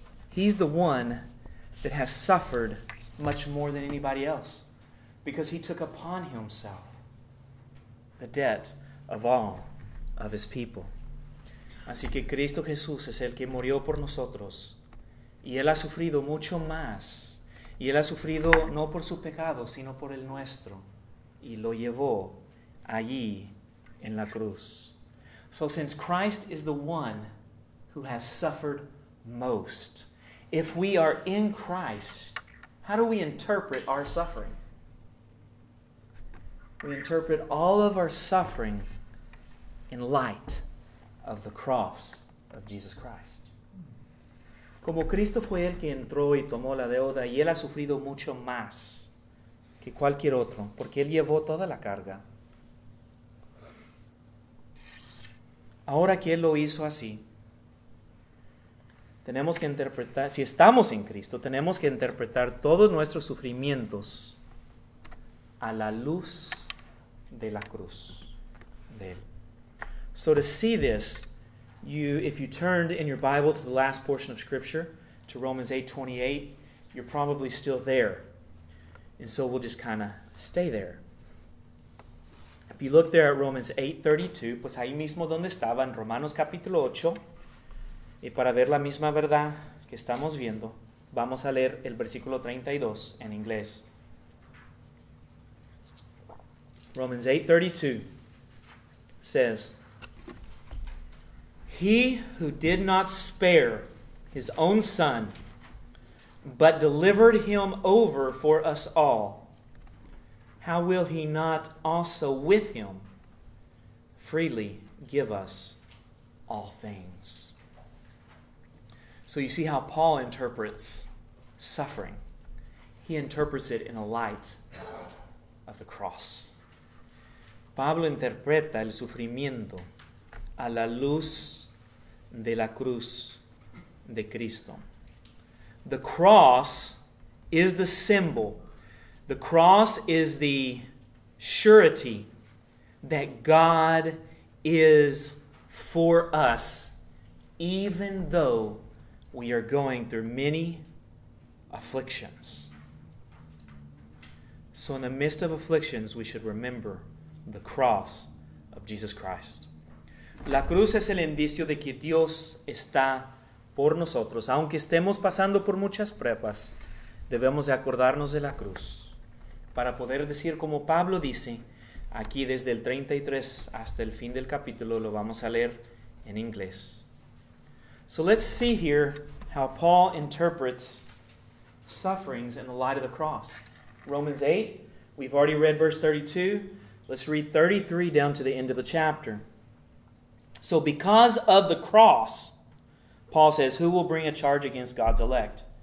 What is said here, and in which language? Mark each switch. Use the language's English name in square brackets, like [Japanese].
[English] He's the one that has suffered much more than anybody else, because he took upon himself the debt of all of his people. [Spanish] Así que Cristo Jesús es el que murió por nosotros, y él ha sufrido mucho más, y él ha sufrido no por su pecado, sino por el nuestro, y lo llevó allí en la cruz. [English] So since Christ is the one who has suffered most, if we are in Christ, how do we interpret our suffering? We interpret all of our suffering in light of the cross of Jesus Christ. [Spanish] Como Cristo fue el que entró y tomó la deuda, y él ha sufrido mucho más que cualquier otro, porque él llevó toda la carga. Ahora que él lo hizo así, tenemos que interpretar, si estamos en Cristo, tenemos que interpretar todos nuestros sufrimientos a la luz de la cruz de Él. [English] So to see this, if you turned in your Bible to the last portion of Scripture, to Romans 8:28, you're probably still there. And so we'll just kind of stay there. If you look there at Romans 8:32, [Spanish] pues ahí mismo donde estaba, en Romanos capítulo 8, y para ver la misma verdad que estamos viendo, vamos a leer el versículo 32 en inglés. [English] Romans 8:32 says, "He who did not spare his own son, but delivered him over for us all, how will he not also with him freely give us all things?" So you see how Paul interprets suffering. He interprets it in the light of the cross. [Spanish] Pablo interpreta el sufrimiento a la luz de la cruz de Cristo. [English] The cross is the symbol. The cross is the surety that God is for us, even though we are going through many afflictions. So in the midst of afflictions, we should remember the cross of Jesus Christ. [Spanish] La cruz es el indicio de que Dios está por nosotros. Aunque estemos pasando por muchas pruebas, debemos de acordarnos de la cruz para poder decir, como Pablo dice, aquí desde el 33 hasta el fin del capítulo, lo vamos a leer en inglés. [English] So let's see here how Paul interprets sufferings in the light of the cross. Romans 8, we've already read verse 32. Let's read 33 down to the end of the chapter. So because of the cross, Paul says, who will bring a charge against God's elect?